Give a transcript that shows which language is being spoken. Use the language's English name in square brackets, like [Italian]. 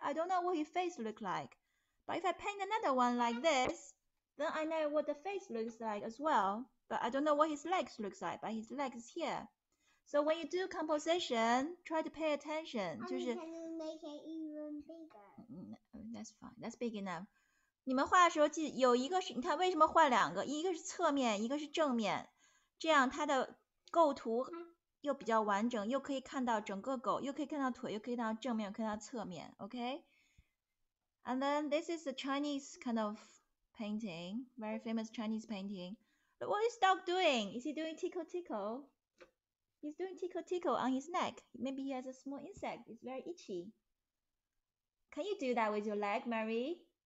[English] I don't know what his face looks like. But if I paint another one like this, then I know what the face looks like as well, but I don't know what his legs looks like, but his legs is here. So when you do composition, try to pay attention. Can you make it even bigger? That's fine, that's big enough. [Chinese] 你们画的时候记得有一个是, 你看为什么画两个?一个是侧面, 一个是正面, 这样它的构图又比较完整, 又可以看到整个狗, 又可以看到腿, 又可以看到正面, 又可以看到侧面, okay? [English] And then this is a Chinese kind of painting, very famous Chinese painting. But what is dog doing? Is he doing tickle tickle? He's doing tickle tickle on his neck. Maybe he has a small insect. It's very itchy. Can you do that with your leg, Mary?